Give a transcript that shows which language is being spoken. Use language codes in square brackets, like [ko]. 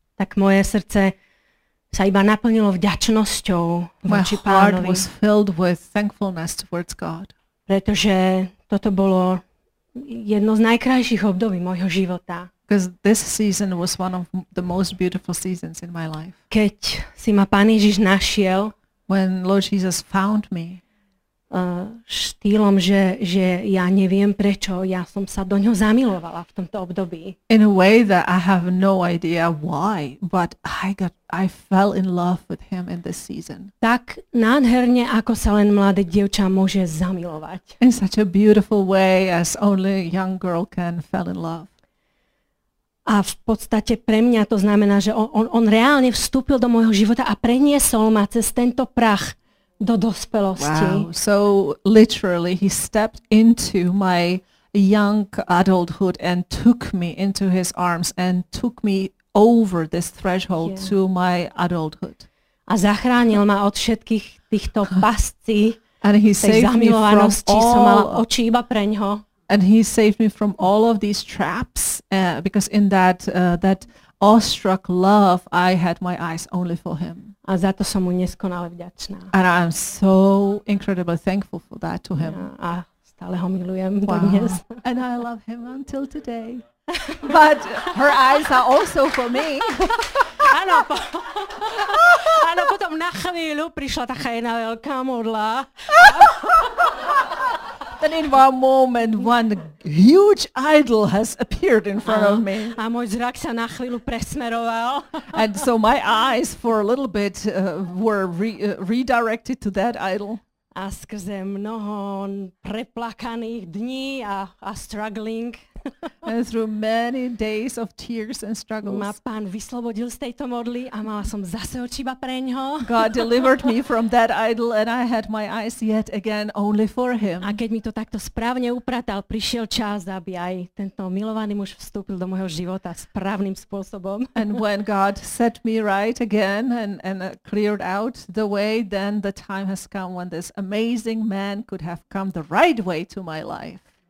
[sk] tak moje srdce sa iba naplnilo vďačnosťou voči Pánovi. [en] My heart was filled with thankfulness towards God. [sk] Pretože toto bolo jedno z najkrajších období mojho života. [en] Because this season was one of the most beautiful seasons in my life. [sk] Keď si ma Pán Ježiš našiel, [en] when Lord Jesus found me, [sk] štýlom, že ja neviem prečo, ja som sa do ňoho zamilovala v tomto období. [en] In a way that I have no idea why, but I fell in love with him in this season. [sk] Tak nádherne, ako sa len mladé dievča môže zamilovať. [en] In such a beautiful way as only a young girl can fall in love. [sk] A v podstate pre mňa to znamená, že on reálne vstúpil do môjho života a preniesol ma cez tento prach do dospelosti. [en] So literally he stepped into my young adulthood and took me into his arms and took me over this threshold to my adulthood. [sk] A zachránil ma od všetkých týchto pascí, tej zamilovanosti, som mala oči iba pre ňoho. [en] And he saved me from all of these traps, because in that that awestruck love, I had my eyes only for him. [sk] A za to som mu neskonale vďačná. [en] And I am so incredibly thankful for that to him. [sk] A stále ho milujem dodnes. [en] And I love him until today. But her eyes are also for me. [sk] Áno, potom na chvíľu prišla taká jedna veľká modla. [en] Then in one moment, one huge idol has appeared in front of me. [sk] A môj zrak sa na chvíľu presmeroval. [en] And so my eyes for a little bit were redirected to that idol. [sk] A skrze mnoho preplakaných dní a [en] struggling. And through many days of tears and struggles. [sk] Ma Pán vyslobodil z tejto modly a mala som zase oči iba pre ňoho. [en] God delivered me from that idol and I had my eyes yet again only for him. [sk] A keď mi to takto správne upratal, prišiel čas, aby aj tento milovaný muž vstúpil do môjho života správnym spôsobom. [en] And when God set me right again and cleared out the way, then the time has come when this amazing man could have come the right way to my life.